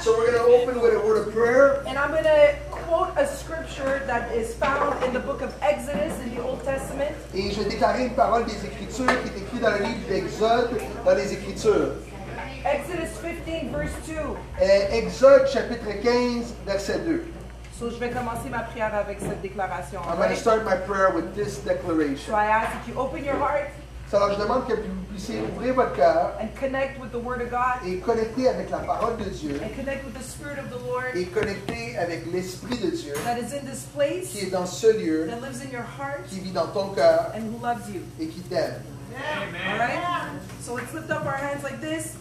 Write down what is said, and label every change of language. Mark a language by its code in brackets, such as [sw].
[en] So we're going to open with a word of prayer. And I'm going to quote a scripture that is found in the book of Exodus in the Old Testament. [fr] Et je vais déclarer une parole des Écritures qui est écrite dans le livre d'Exode, dans les Écritures. [en] Exodus 15, verse 2. [fr] Exode, chapitre 15, verset 2. So je vais commencer ma prière avec cette déclaration. [en] I'm going to start my prayer with this declaration. So I ask that you open your heart. [fr] Alors, je demande que vous puissiez ouvrir votre cœur [en] and connect with the word of God, [fr] et connecter avec la parole de Dieu [en] and connect with the spirit of the Lord, [fr] et connecter avec l'Esprit de Dieu [en] that is in this place, [fr] qui est dans ce lieu [en] that lives in your heart, [fr] qui vit dans ton cœur [en] and who loves you. [fr] Et qui t'aime. [en] Amen. All right? So let's lift up our hands like this.